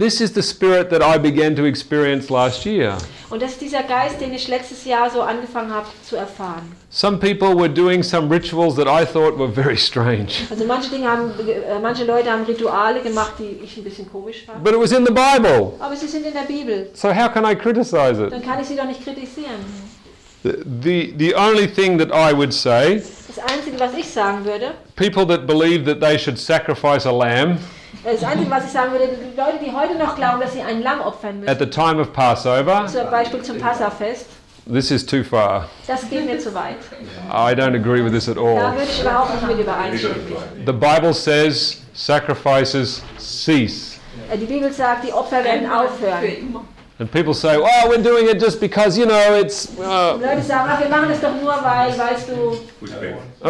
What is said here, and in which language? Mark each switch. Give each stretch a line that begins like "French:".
English: This is the spirit that I began to experience last year.
German: Und das ist dieser Geist, den ich letztes Jahr so angefangen habe zu erfahren.
English: Some people were doing some rituals that I thought were very strange.
German: Also manche Leute haben Rituale gemacht, die ich ein bisschen komisch fand.
English: But it was in the Bible.
German: Aber sie sind in der Bibel.
English: So how can I criticize it?
German: Dann kann ich sie doch nicht kritisieren.
English: The only thing that I would say,
German: das Einzige, was ich sagen würde,
English: people that believe that they should sacrifice a lamb,
German: das Einzige, was ich sagen würde, die Leute, die heute noch glauben, dass sie ein Lamm opfern müssen,
English: at the time of Passover,
German: zum Beispiel zum Passafest,
English: this is too far.
German: Das geht mir zu weit.
English: I don't agree with this at all.
German: Da würde ich überhaupt nicht mit übereinstimmen.
English: The Bible says sacrifices cease.
German: Die Bibel sagt, die Opfer werden aufhören.
English: And people say, "Oh, we're doing it just because, you know, it's."
German: Leute sagen, ach, wir machen das doch nur, weil, weißt du.